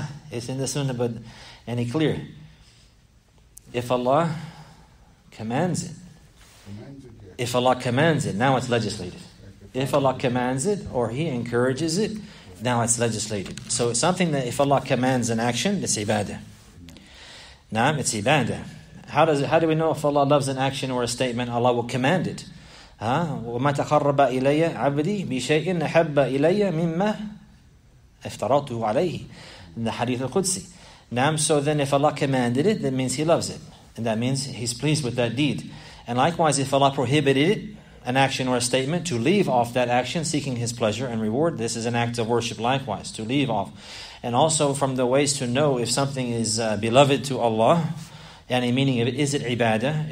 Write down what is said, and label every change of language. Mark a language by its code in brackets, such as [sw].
[en] It's in the sunnah, but any clear? If Allah commands it, if Allah commands it, now it's legislated. If Allah commands it or He encourages it, now it's legislated. So it's something that if Allah commands an action, it's ibadah. Naam, it's ibadah. How do we know if Allah loves an action or a statement, Allah will command it? [ar] وَمَا تَقَرَّبَ إِلَيَّ عَبْدِي بِشَيْءٍ أَحَبَّ إِلَيَّ مِمَّا افْتَرَطُهُ عَلَيْهِ [en] in the Hadith al-Qudsi. Naam, so then if Allah commanded it, that means He loves it. And that means He's pleased with that deed. And likewise, if Allah prohibited it, an action or a statement, to leave off that action, seeking His pleasure and reward, this is an act of worship likewise, to leave off. And also from the ways to know if something is beloved to Allah, any meaning of it, is it ibadah?